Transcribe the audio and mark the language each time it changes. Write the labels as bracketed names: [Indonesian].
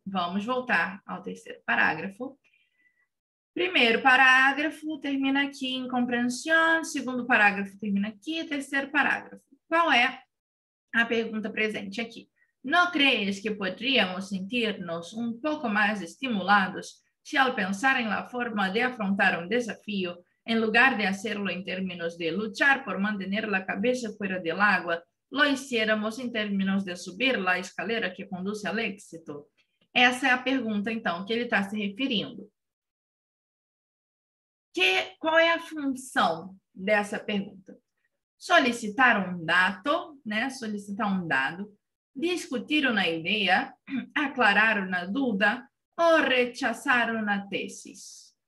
[Portuguese] Vamos voltar ao terceiro parágrafo. Primeiro parágrafo termina aqui, incompreensão. Segundo parágrafo termina aqui, terceiro parágrafo. Qual é a pergunta presente aqui? [Spanish] ¿No crees que podríamos sentirnos un poco más estimulados si al pensar en la forma de afrontar un desafío, en lugar de hacerlo en términos de luchar por mantener la cabeza fuera del agua, lo hiciéramos en términos de subir la escalera que conduce al éxito? [Portuguese] Essa é a pergunta, então, que ele está se referindo. Qual é a função dessa pergunta? [Spanish] Solicitar un dato, né? Solicitar un dado. Discutir una idea, aclarar una duda o rechazar una tesis.